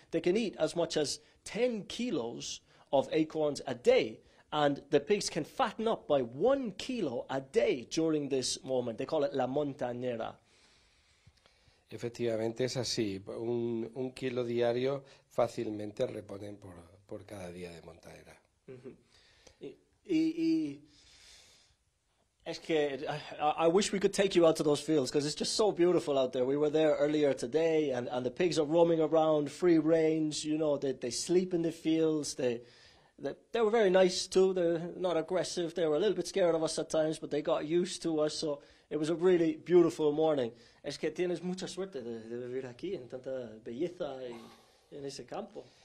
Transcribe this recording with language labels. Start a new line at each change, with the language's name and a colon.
English: They can eat as much as 10 kilos of acorns a day, and the pigs can fatten up by 1 kilo a day during this moment. They call it la montañera.
Spanish: Efectivamente es así. Un kilo diario fácilmente reponen por cada día de montadera. Y es que
English: I wish we could take you out to those fields because it's just so beautiful out there. We were there earlier today, and the pigs are roaming around free range. They sleep in the fields. They were very nice too. They're not aggressive. They were a little bit scared of us at times, but they got used to us. So it was a really beautiful morning.
Spanish: Es que tienes mucha suerte de vivir aquí en tanta belleza y en ese campo.